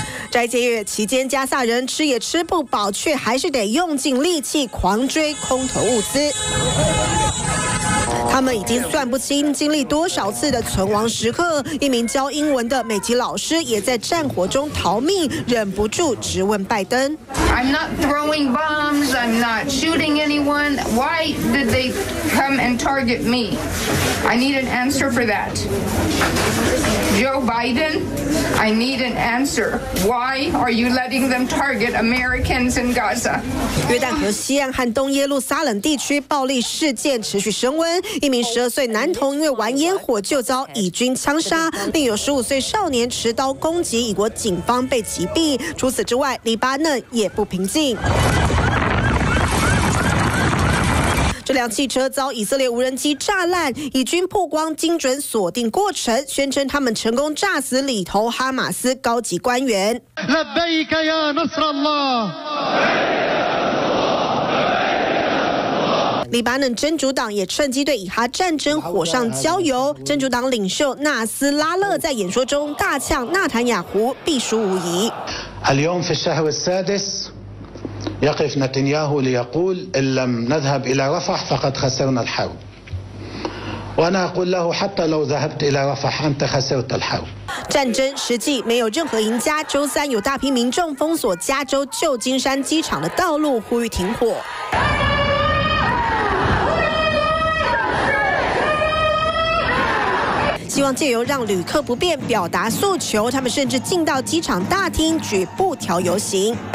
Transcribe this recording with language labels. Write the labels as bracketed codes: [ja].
[zh] 斋戒月期间，加萨人吃也吃不饱，却还是得用尽力气狂追空投物资。他们已经算不清经历多少次的存亡时刻，一名教英文的美籍老师也在战火中逃命，忍不住质问拜登。 [en] I'm not throwing bombs, I'm not shooting anyone. Why did they come and target me? I need an answer for that. Joe Biden, I need an answer. Why are you letting them target Americans in Gaza? [zh] 约旦河西岸和东耶路撒冷地区暴力事件持续升温，一名12岁男童因为玩烟火就遭以军枪杀，另有15岁少年持刀攻击以国警方被击毙。除此之外，黎巴嫩也不平静。这辆汽车遭以色列无人机炸烂，以军曝光精准锁定过程，宣称他们成功炸死里头哈马斯高级官员。黎巴嫩真主党也趁机对以哈战争火上浇油，真主党领袖纳斯拉勒在演说中大呛纳坦雅胡必输无疑。 [ar] اليوم في الشهر السادس يقف نتنياهو ليقول إن لم نذهب إلى رفح فقد خسرنا الحرب. وأنا أقول له حتى لو ذهبت إلى رفح أنت خسرت الحرب. [zh] 战争实际没有任何赢家。周三有大批民众封锁加州旧金山机场的道路，呼吁停火。希望借由让旅客不便表达诉求，他们甚至进到机场大厅举布条游行。